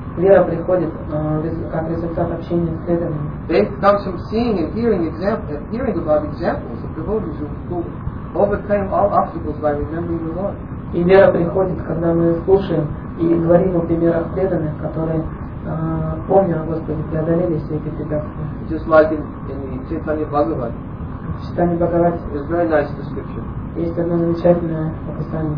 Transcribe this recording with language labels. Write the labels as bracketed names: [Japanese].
[Russian] Вера приходит как результат общения с преданными. [English] Faith comes from seeing and hearing hearing about examples of devotees who overcame all obstacles by remembering the Lord. [Russian] И вера приходит, когда мы слушаем и говорим о примерах преданных, которые, помня о Господе, преодолели все эти препятствия. [English] Just like in the Chaitanya Bhagavad. [Russian] В Читании Бхагавате. [English] It's very nice description. [Russian] Есть одно замечательное описание.